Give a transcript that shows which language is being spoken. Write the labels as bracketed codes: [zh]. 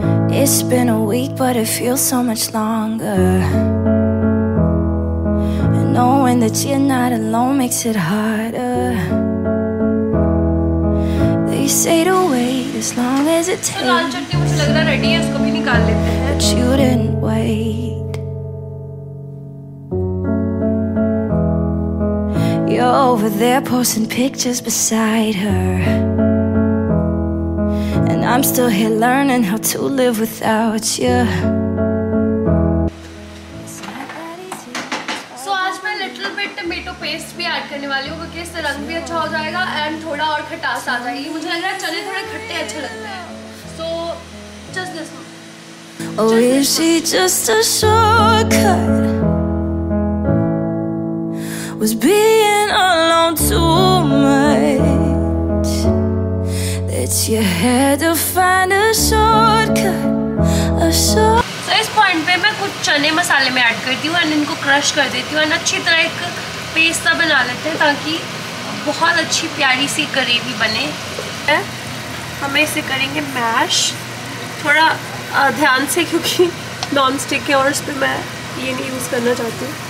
[en] It's been a week, but it feels so much longer. And knowing that you're not alone makes it harder. They say to wait as long as it takes. [hi] लाल चटनी मुझे लग रहा ready है, उसको भी निकाल लेते हैं। [en] But you didn't wait. You're over there posting pictures beside her. I'm still here learning how to live without you. [hi] So आज मैं [en] little bit tomato paste [hi] भी add करने वाली हूँ, क्योंकि इससे रंग भी अच्छा हो जाएगा and थोड़ा और खटास आ जाएगी। मुझे लग रहा है चने थोड़े खट्टे अच्छे लगते हैं। [en] So just this one. Oh, is she just a shortcut? Was being alone too much? You had to find a shortcut, a shortcut. [hi] So, इस पॉइंट पे मैं कुछ चने मसाले में ऐड करती हूँ एंड इनको क्रश कर देती हूँ एंड अच्छी तरह एक पेस्ट सा बना लेते हैं ताकि बहुत अच्छी प्यारी सी ग्रेवी बने। हमें इसे करेंगे मैश, थोड़ा ध्यान से क्योंकि नॉन स्टिक है और उस पर मैं ये नहीं यूज़ करना चाहती।